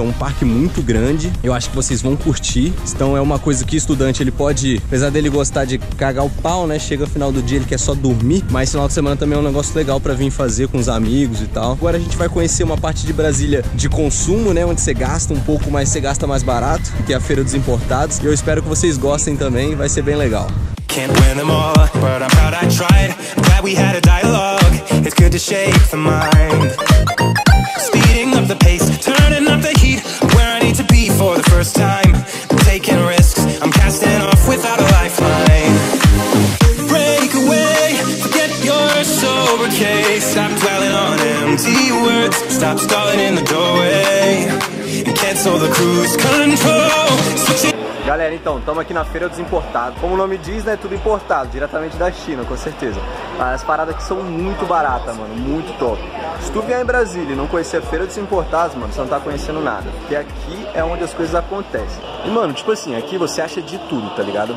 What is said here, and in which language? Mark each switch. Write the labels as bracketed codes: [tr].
[pt] É um parque muito grande. Eu acho que vocês vão curtir. Então é uma coisa que estudante, ele pode, apesar dele gostar de cagar o pau, né? Chega ao final do dia, ele quer só dormir. Mas final de semana também é um negócio legal pra vir fazer com os amigos e tal. Agora a gente vai conhecer uma parte de Brasília de consumo, né? Onde você gasta um pouco mais, você gasta mais barato, que é a Feira dos Importados. E eu espero que vocês gostem também. Vai ser bem legal. [en] Can't win them all, but I'm proud I tried. Glad we had a dialogue, it's good to shake the mind. Speeding up the pace, turning up the heat. Where I need to be for the first time. I'm taking risks, I'm casting off without a lifeline. Break away, forget your sober case. Stop dwelling on empty words, stop stalling in the doorway. Cancel the cruise control. [pt] Galera, então, estamos aqui na Feira dos Importados. Como o nome diz, né, tudo importado, diretamente da China, com certeza. As paradas aqui são muito baratas, mano, muito top. Se tu vier em Brasília e não conhecer a Feira dos Importados, mano, você não tá conhecendo nada. Porque aqui é onde as coisas acontecem. E, mano, tipo assim, aqui você acha de tudo, tá ligado?